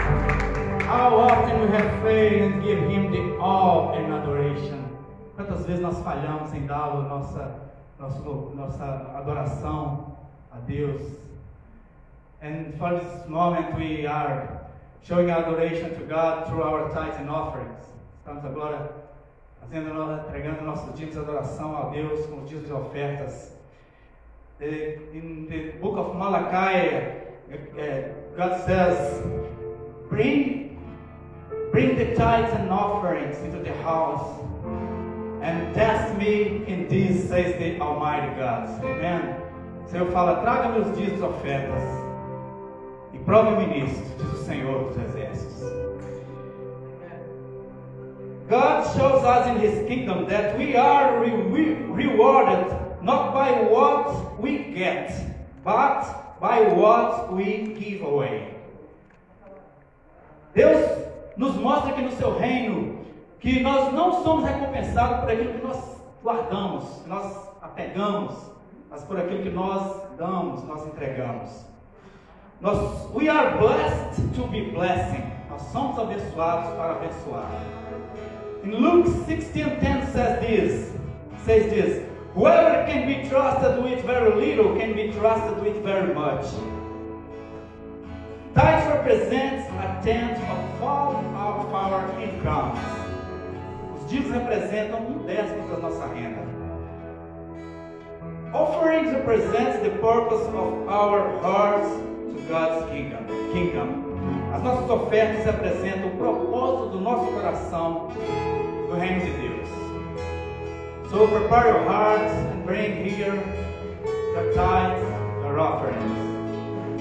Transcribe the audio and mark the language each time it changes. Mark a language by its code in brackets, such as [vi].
[en] Ele and give Him the awe and adoration. [pt] Quantas vezes nós falhamos em dar a nossa adoração a Deus? [en] And for this moment we are showing adoration to God through our tithes and offerings. [pt] Estamos agora entregando nossos dízimos de adoração a Deus com os dízimos de ofertas. [en] In the book of Malachi, God says, bring the tithes and offerings into the house and test me in this, says the Almighty God. Amen. [pt] O Senhor fala, traga-me os dízimos de ofertas e prove-me nisto, diz o Senhor dos Exércitos. [en] God shows us in His kingdom that we are rewarded not by what we get, but by what we give away. [pt] Deus nos mostra que no seu reino, que nós não somos recompensados por aquilo que nós guardamos, que nós apegamos, mas por aquilo que nós damos, nós entregamos. [en] We are blessed to be blessing. [pt] Nós somos abençoados para abençoar. [en] In Luke 16:10 says this, whoever can be trusted with very little can be trusted with very much. Tithe represents a tenth of all of our incomes. [pt] Os dízimos representam um décimo da nossa renda. [en] Offerings represents the purpose of our hearts to God's kingdom. [pt] As nossas ofertas representam o propósito do nosso coração do reino de Deus. [en] So prepare your hearts and bring here your tithes, your offerings.